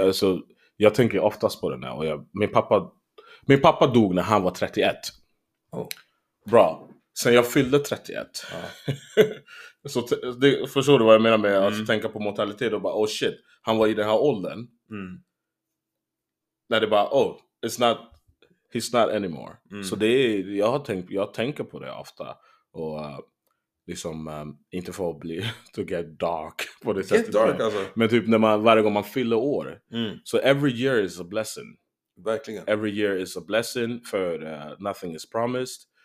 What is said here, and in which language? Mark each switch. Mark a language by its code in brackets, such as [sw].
[sv] Alltså, jag tänker oftast på det nu. Och min pappa dog när han var 31. Oh. Bra. Sen jag fyllde 31. Ah. Så det, förstår du vad jag menar med att tänka på mortalitet och bara, [en] oh shit, [sv] han var i den här åldern. Mm. När det bara, [en] oh, it's not, he's not anymore. Mm. [sv] Så det är, jag tänker på det ofta. Och liksom, inte få bli, [en] to get dark [sv] på det sättet. [en] Get dark [sv] alltså. Men typ när varje gång man fyller år. Mm. Så [en] so every year is a blessing. [sv] Verkligen. [en] Every year is a blessing, [sv] för [en] nothing is promised.